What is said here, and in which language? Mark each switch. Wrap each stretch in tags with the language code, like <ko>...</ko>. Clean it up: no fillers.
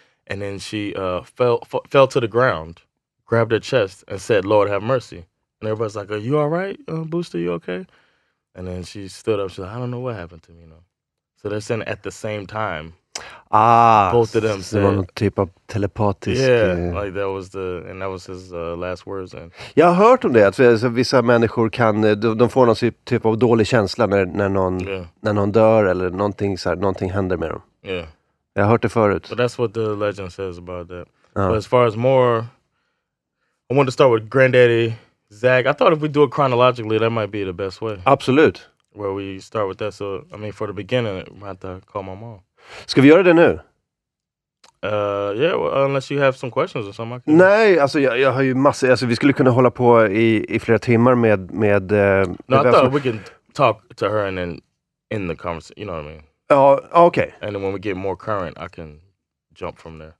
<en>And then she fell to the ground, grabbed her chest, and said, "Lord, have mercy." And everybody's like, are you all right, Booster? You okay? And then she stood up. She's like, I don't know what happened to me, you know. So they're saying at the same time. Ah. Both of them said. One type of telepathic. Yeah, like that was the, and that was his last words. And</en> <sv>jag har hört om det, att vissa människor kan, de får någon typ av dålig känsla när någon, yeah, när någon dör eller någonting, så här, någonting händer med dem.</sv> <en>Yeah.</en> <sv>Jag har hört det förut.</sv> <en>But that's what the legend says about that. But as far as more, I wanted to start with Granddaddy Zach. I thought if we do it chronologically, that might be the best way.</en> <sv>Absolut.</sv> <en>Where we start with that. So, I mean, for the beginning, I have to call my mom.</en> <sv>Ska vi göra det nu?</sv> <en>Yeah, well, unless you have some questions or something.</en> <sv>Nej, alltså jag har ju massa. Alltså vi skulle kunna hålla på i flera timmar med</sv> <en>no, I thought we can talk to her and then in the conversation. You know what I mean? Okay. And then when we get more current, I can jump from there.</en>